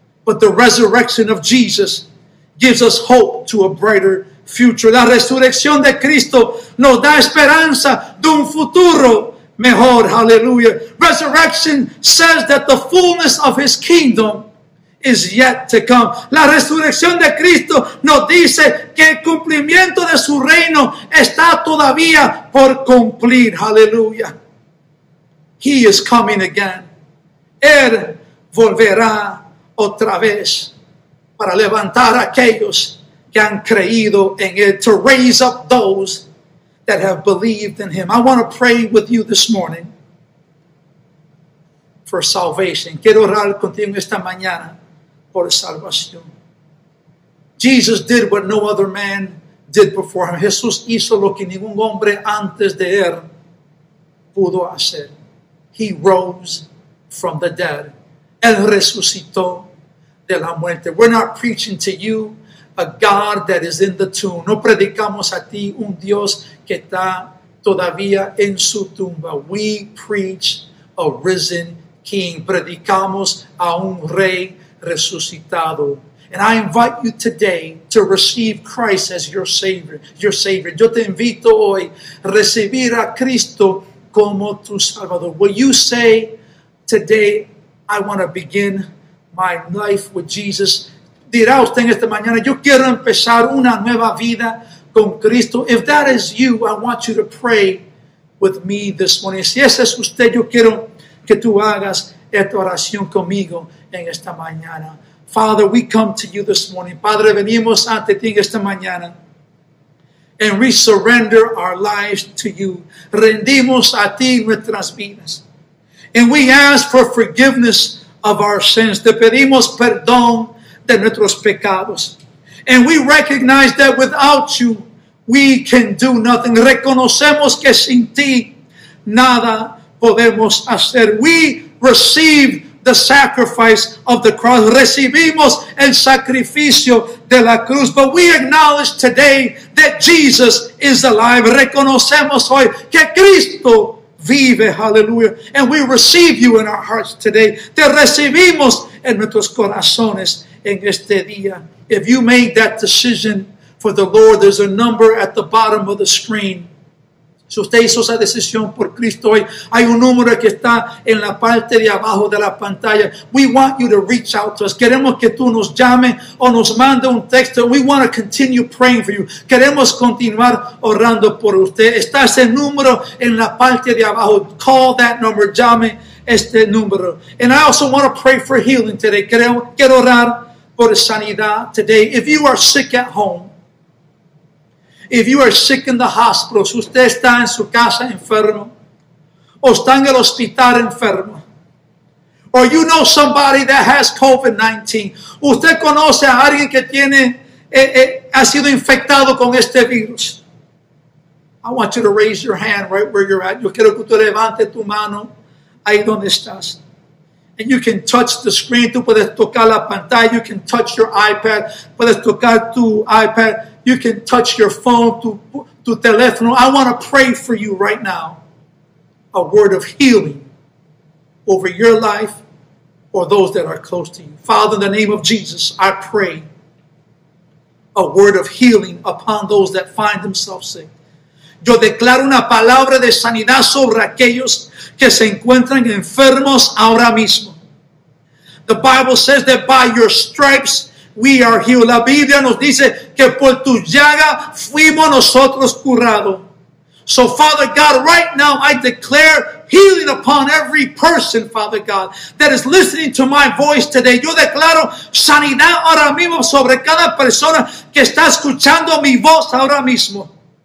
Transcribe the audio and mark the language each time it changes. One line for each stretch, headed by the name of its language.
English: But the resurrection of Jesus gives us hope to a brighter future.
Spanish: La resurrección de Cristo nos da esperanza de un futuro mejor. Hallelujah.
English: Resurrection says that the fullness of his kingdom is yet to come.
Spanish: La resurrección de Cristo nos dice que el cumplimiento de su reino está todavía por cumplir. Hallelujah.
English: He is coming again.
Spanish: Él volverá otra vez para levantar aquellos que han creído en él,
English: to raise up those that have believed in him. I want to pray with you this morning for salvation.
Spanish: Quiero orar contigo esta mañana por salvación.
English: Jesus did what no other man did before him.
Spanish: Jesús hizo lo que ningún hombre antes de él pudo hacer.
English: He rose from the dead.
Spanish: Él resucitó de la muerte.
English: We're not preaching to you a God that is in the tomb.
Spanish: No predicamos a ti un Dios que está todavía en su tumba.
English: We preach a risen King.
Spanish: Predicamos a un Rey resucitado.
English: And I invite you today to receive Christ as your Savior. Your Savior.
Spanish: Yo te invito hoy a recibir a Cristo como tu Salvador.
English: Will you say today, I want to begin my life with Jesus?
Spanish: Dirá usted en esta mañana, yo quiero empezar una nueva vida con Cristo.
English: If that is you, I want you to pray with me this morning.
Spanish: Si ese es usted, yo quiero que tú hagas esta oración conmigo en esta mañana.
English: Father, we come to you this morning.
Spanish: Padre, venimos ante ti esta mañana.
English: And we surrender our lives to you.
Spanish: Rendimos a ti nuestras vidas.
English: And we ask for forgiveness of our sins.
Spanish: Te pedimos perdón de nuestros pecados.
English: And we recognize that without you, we can do nothing.
Spanish: Reconocemos que sin ti, nada podemos hacer.
English: We receive the sacrifice of the cross.
Spanish: Recibimos el sacrificio de la cruz.
English: But we acknowledge today that Jesus is alive.
Spanish: Reconocemos hoy que Cristo vive, hallelujah.
English: And we receive you in our hearts today.
Spanish: Te recibimos en nuestros corazones en este día.
English: If you made that decision for the Lord, there's a number at the bottom of the screen.
Spanish: Si usted hizo esa decisión por Cristo hoy, hay un número que está en la parte de abajo de la pantalla.
English: We want you to reach out to us.
Spanish: Queremos que tú nos llame o nos mande un texto.
English: We want to continue praying for you.
Spanish: Queremos continuar orando por usted. Está ese número en la parte de abajo.
English: Call that number.
Spanish: Llame este número.
English: And I also want to pray for healing today.
Spanish: Quiero orar por sanidad
English: today. If you are sick at home, if you are sick in the hospital,
Spanish: si usted está en su casa enfermo, o está en el hospital enfermo,
English: or you know somebody that has COVID-19,
Spanish: usted conoce a alguien que tiene, ha sido infectado con este virus,
English: I want you to raise your hand right where you're at.
Spanish: Yo quiero que usted levante tu mano ahí donde estás.
English: And you can touch the screen.
Spanish: Tú puedes tocar la pantalla.
English: You can touch your iPad.
Spanish: Puedes tocar tu iPad.
English: You can touch your phone,
Spanish: tu teléfono.
English: I want to pray for you right now. A word of healing over your life or those that are close to you. Father, in the name of Jesus, I pray a word of healing upon those that find themselves sick.
Spanish: Yo declaro una palabra de sanidad sobre aquellos que se encuentran enfermos ahora mismo.
English: The Bible says that by your stripes we are healed.
Spanish: La Biblia nos dice que por tu llaga fuimos nosotros curados.
English: So Father God, right now I declare healing upon every person, Father God, that is listening to my voice today.
Spanish: Yo declaro sanidad ahora mismo sobre cada persona que está escuchando mi voz ahora mismo.